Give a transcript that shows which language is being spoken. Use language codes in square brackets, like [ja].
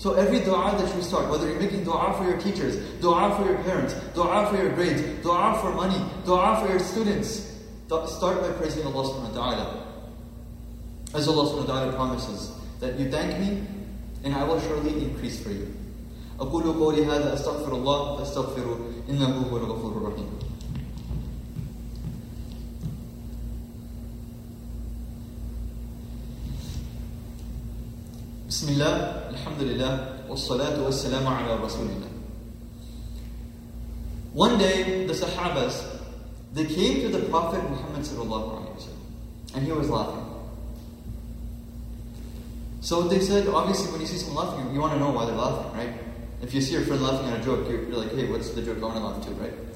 [en] So every dua that you start, whether you're making dua for your teachers, dua for your parents, dua for your grades, dua for money, dua for your students, start by praising Allah subhanahu wa ta'ala. As Allah subhanahu wa ta'ala promises, that you thank me, and I will surely increase for you. [ar] أقول قولي هذا أستغفر الله أستغفر إنه هو الغفور الرحيم. بسم الله الحمد لله والصلاة والسلام على رسول الله. [en] One day the Sahabas, they came to the Prophet Muhammad sallallahu alaihi wasallam, and he was laughing. So they said, obviously when you see someone laughing, you want to know why they're laughing, right? If you see your friend laughing at a joke, you're like, hey, what's the joke I want to laugh to, right?